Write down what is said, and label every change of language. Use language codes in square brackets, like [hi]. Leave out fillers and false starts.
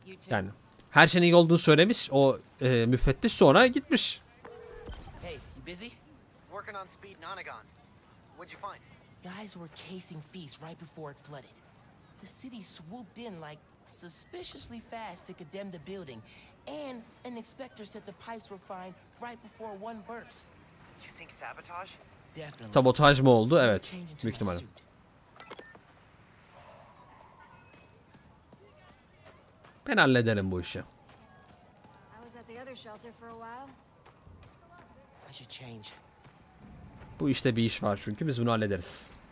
[tr] Yani her şeyin iyi olduğunu söylemiş o müfettiş, sonra gitmiş. [en] Hey, you busy? Working on speed in Onagon. What'd you find? Guys were casing feast right before it flooded. The city swooped in like suspiciously fast to condemn the building, and an inspector said the pipes were fine right before one burst. You think sabotage? Definitely. [tr] Sabotaj mı oldu? Evet. Büyük ihtimalle. Ben hallederim bu işi. [en] I was at the other shelter for a while. I should change. [tr] Bu işte bir iş var çünkü biz bunu hallederiz.